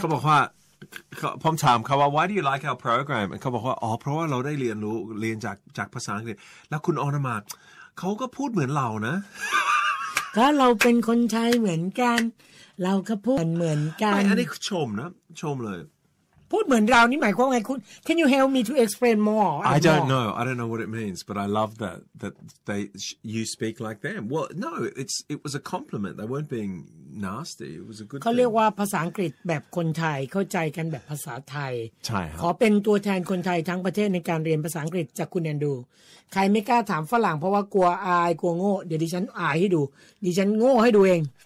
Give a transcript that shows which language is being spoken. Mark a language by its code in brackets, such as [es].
[th] เขาบอกว่าผมถามเขาว่า [en] why do you like our program [th] เขาบอกว่าอ๋อเพราะว่าเราได้เรียนรู้เรียนจากภาษาอังกฤษแล้วคุณออนมาเขาก็พูดเหมือนเรานะ ก็เราเป็นคนไทยเหมือนกันเราก็พูดเหมือนกัน อันนี้ชมนะชมเลย พูดเหมือนเรานี่หมายความไงคุณ [en] Can you help me to explain more? I don't know what it means, but I love that they you speak like them. Well, no, it was a compliment. They weren't being nasty. It was a good thing. [th] เขาเรียกว่าภาษาอังกฤษแบบคนไทยเข้าใจกันแบบภาษาไทย ใช่ ครับขอเป็นตัวแทนคนไทยทั้งประเทศในการเรียนภาษาอังกฤษจากคุณแอนดูใครไม่กล้าถามฝรั่งเพราะว่ากลัวอายกลัวโง่เดี๋ยวดิฉันอายให้ดูดิฉันโง่ให้ดูเอง